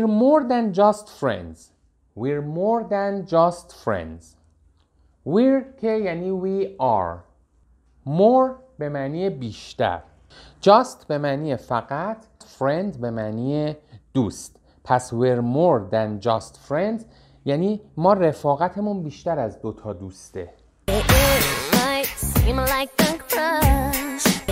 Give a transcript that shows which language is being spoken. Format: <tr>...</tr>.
<en>We're more than just friends.</en> <fa>We're که یعنی we are. More به معنی بیشتر. Just به معنی فقط. Friend به معنی دوست. پس</fa> <en>we're more than just friends</en> <fa>یعنی ما رفاقتمون بیشتر از دوتا دوسته.</fa> <en>It might seem like a crush.</en>